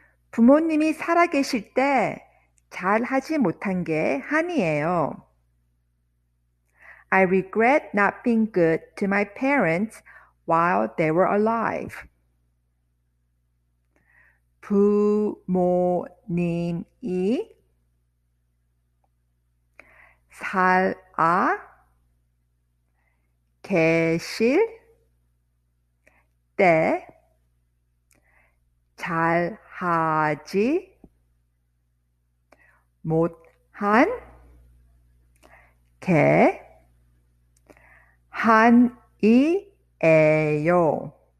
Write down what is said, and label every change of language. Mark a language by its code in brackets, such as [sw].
[ko] 부모님이 살아계실 때 잘하지 못한 게 한이에요. [en] I regret not being good to my parents while they were alive. [ko] 부모님이 살아 계실 때 잘하지 못한 게 한이에요.